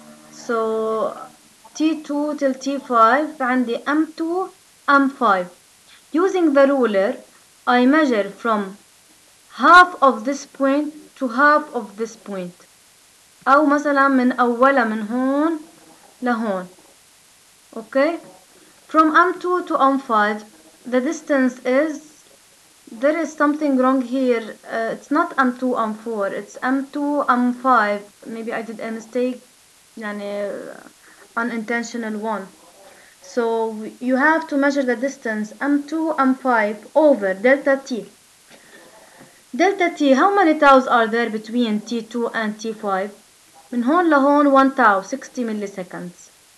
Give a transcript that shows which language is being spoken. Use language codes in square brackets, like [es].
[en] So T2 till T5, and the M2, M5. Using the ruler, I measure from half of this point to half of this point. [ar] أو مثلا من أولا من هون لهون. [en] Okay, from M2 to M5, the distance is, there is something wrong here, it's not M2, M4, it's M2, M5, maybe I did a mistake, يعني, unintentional one. So, you have to measure the distance, M2, M5, over delta T. Delta T, how many taus are there between T2 and T5? [ar] من هون لهون [en] 1 tau, 60 milliseconds.